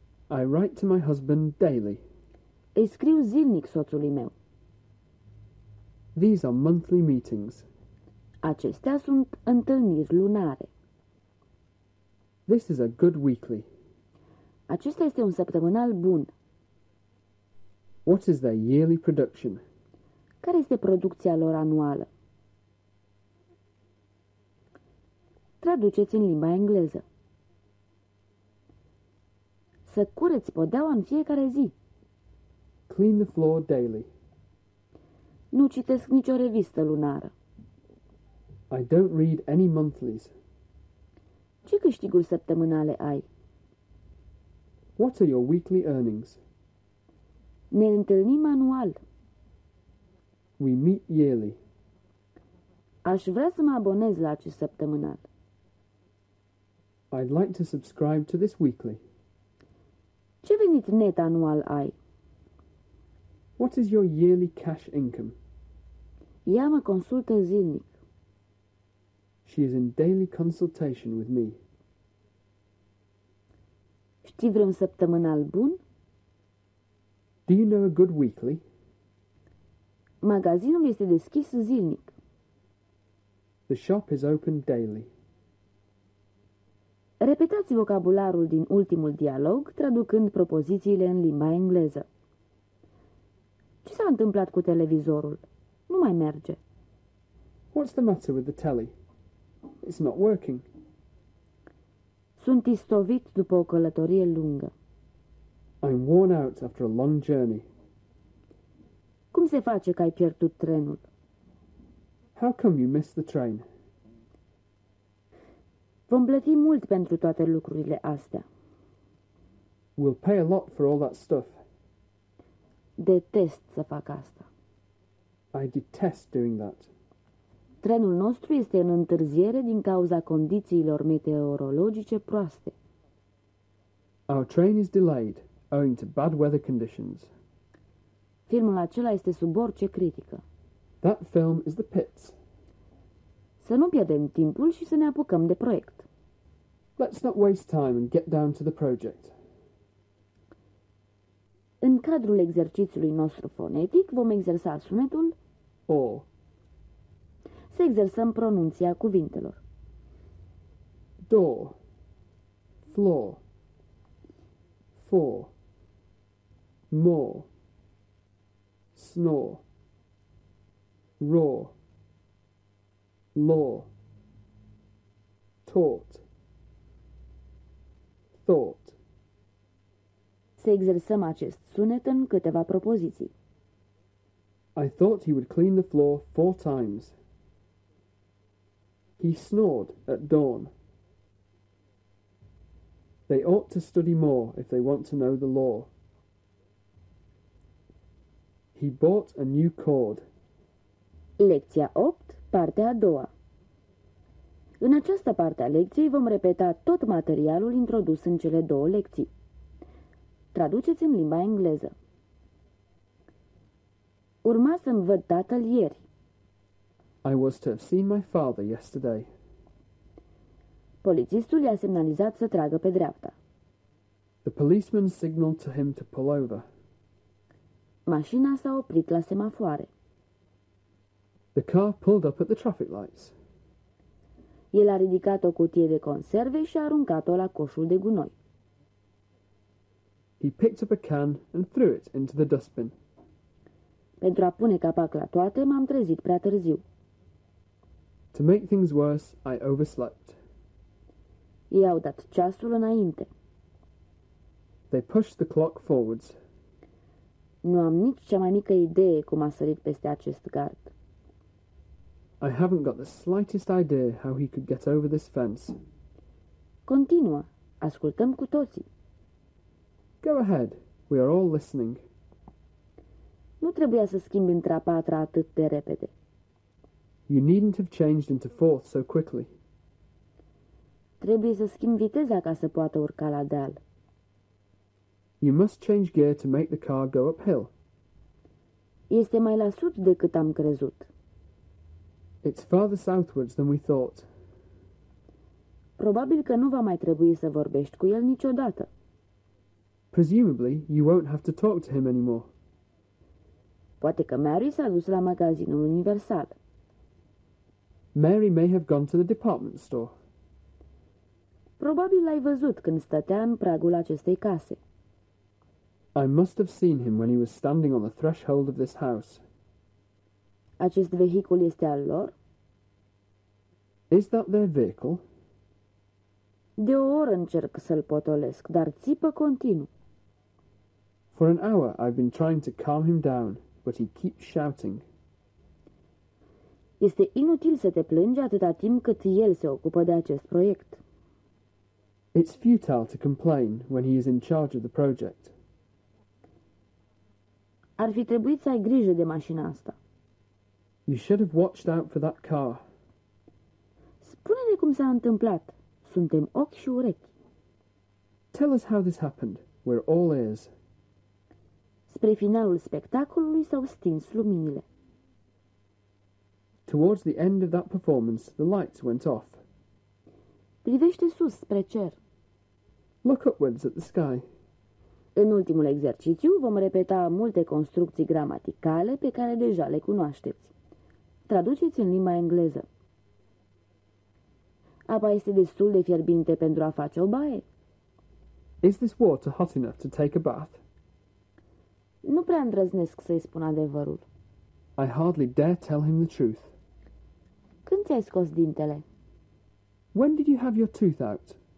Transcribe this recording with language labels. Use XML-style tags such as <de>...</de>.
<en>I write to my husband daily.</en> <ro>Îi scriu zilnic soțului meu.</ro> <en>These are monthly meetings.</en> <ro>Acestea sunt întâlniri lunare.</ro> <en>This is a good weekly.</en> <ro>Acesta este un săptămânal bun.</ro> <en>What is their yearly production?</en> <ro>Care este producția lor anuală? Traduceți în limba engleză. Să cureți podeaua în fiecare zi.</ro> <en>Clean the floor daily.</en> <ro>Nu citesc nicio revistă lunară.</ro> <en>I don't read any monthlies.</en> <ro>Ce câștiguri săptămânale ai?</ro> <en>What are your weekly earnings?</en> <ro>Ne întâlnim anual.</ro> <en>We meet yearly.</en> <ro>Aș vrea să mă abonez la acest săptămânal.</ro> <en>I'd like to subscribe to this weekly.</en> <ro>Ce venit net anual ai?</ro> <en>What is your yearly cash income?</en> <ro>Ea mă consultă zilnic.</ro> <en>She is in daily consultation with me.</en> <ro>Știi vreun săptămânal bun?</ro> <en>Do you know a good weekly?</en> <ro>Magazinul este deschis zilnic.</ro> <en>The shop is open daily.</en> <ro>Repetați vocabularul din ultimul dialog, traducând propozițiile în limba engleză. Ce s-a întâmplat cu televizorul? Nu mai merge.</ro> <en>What's the matter with the telly? It's not working.</en> <ro>Sunt istovit după o călătorie lungă.</ro> <en>I'm worn out after a long journey.</en> <ro>Cum se face că ai pierdut trenul?</ro> <en>How come you missed the train?</en> <ro>Vom plăti mult pentru toate lucrurile astea.</ro> <en>We'll pay a lot for all that stuff.</en> <ro>Detest să fac asta.</ro> <en>I detest doing that.</en> <ro>Trenul nostru este în întârziere din cauza condițiilor meteorologice proaste.</ro> <en>Our train is delayed owing to bad weather conditions.</en> <ro>Filmul acela este sub orice critică.</ro> <en>That film is the pits.</en> <ro>Să nu pierdem timpul și să ne apucăm de proiect.</ro> <en>Let's not waste time and get down to the project.</en> <ro>În cadrul exercițiului nostru fonetic vom exersa sunetul O. Să exersăm pronunția cuvintelor.</ro> <en>Door, floor, four, more, snore, raw, law, taught, thought.</en> <ro>Să exersăm acest sunet în câteva propoziții.</ro> <en>I thought he would clean the floor four times. He snored at dawn. They ought to study more if they want to know the law. He bought a new cord.</en> <ro>Lecția 8, partea a doua. În această parte a lecției vom repeta tot materialul introdus în cele două lecții. Traduceți în limba engleză. Urma să-mi văd tatăl ieri.</ro> <en>I was to have seen my father yesterday.</en> <ro>Polițistul i-a semnalizat să tragă pe dreapta.</ro> <en>The policeman signaled to him to pull over.</en> <ro>Mașina s-a oprit la semafoare.</ro> <en>The car pulled up at the traffic lights.</en> <ro>El a ridicat o cutie de conserve și a aruncat-o la coșul de gunoi.</ro> <en>He picked up a can and threw it into the dustbin.</en> <ro>Pentru a pune capac la toate, m-am trezit prea târziu.</ro> <en>To make things worse, I overslept.</en> <ro>Ei au dat ceasul înainte.</ro> <en>They pushed the clock forwards.</en> <ro>Nu am nici cea mai mică idee cum a sărit peste acest gard.</ro> <en>I haven't got the slightest idea how he could get over this fence.</en> <ro>Continuă. Ascultăm cu toții.</ro> <en>Go ahead. We are all listening.</en> <ro>Nu trebuia să schimbi între a patra atât de repede.</ro> <en>You needn't have changed into fourth so quickly.</en> <ro>Trebuie să schimbi viteza ca să poată urca la deal.</ro> <en>You must change gear to make the car go uphill.</en> <ro>Este mai la sud decât am crezut.</ro> <en>It's farther southwards than we thought.</en> <ro>Probabil că nu va mai trebui să vorbești cu el niciodată.</ro> <en>Presumably, you won't have to talk to him anymore.</en> <ro>Poate că Mary s-a dus la magazinul universal.</ro> <en>Mary may have gone to the department store.</en> <ro>Probabil l-ai văzut când stătea în pragul acestei case.</ro> <en>I must have seen him when he was standing on the threshold of this house.</en> <ro>Acest vehicul este al lor?</ro> <en>Is that their vehicle?</en> <ro>De o oră încerc să-l potolesc, dar țipă continuu.</ro> <en>For an hour I've been trying to calm him down, but he keeps shouting.</en> <ro>Este inutil să te plângi atâta timp cât el se ocupă de acest proiect.</ro> <en>It's futile to complain when he is in charge of the project.</en> <ro>Ar fi trebuit să ai grijă de mașina asta.</ro> <en>You should have watched out for that car.</en> <ro>Spune-ne cum s-a întâmplat. Suntem ochi și urechi.</ro> <en>Tell us how this happened. We're all ears.</en> <ro>Spre finalul spectacolului s-au stins luminile.</ro> <en>Towards the end of that performance, the lights went off.</en> <ro>Privește sus spre cer.</ro> <en>Look upwards at the sky.</en> <ro>În ultimul exercițiu vom repeta multe construcții gramaticale pe care deja le cunoașteți. Traduceți în limba engleză. Apa este destul de fierbinte pentru a face o baie?</ro> <en>Is this water hot enough to take a bath?</en> <ro>Nu prea îndrăznesc să-i spun adevărul.</ro> <en>I hardly dare tell him the truth.</en> <ro>Când ți-ai scos dintele?</ro> <en>When did you have your tooth out?</en>